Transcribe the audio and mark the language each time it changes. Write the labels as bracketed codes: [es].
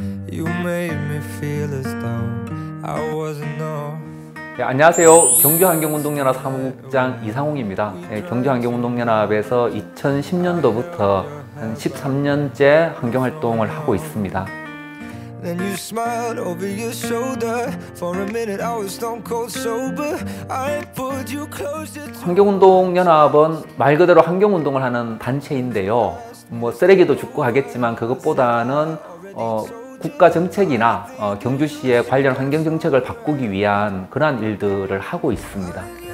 [en] You made me feel as though I wasn't enough. [ko] 네, 안녕하세요. 경주환경운동연합 사무국장 이상홍입니다. 네, 경주환경운동연합에서 2010년도부터 한 13년째 환경활동을 하고 있습니다. [en] Then you smiled over your shoulder. For a minute I was stone cold sober. I pulled you closer to. [ko] 환경운동연합은 말 그대로 환경운동을 하는 단체인데요. 뭐 쓰레기도 줍고 하겠지만 그것보다는 국가정책이나 경주시의 관련 환경정책을 바꾸기 위한 그러한 일들을 하고 있습니다.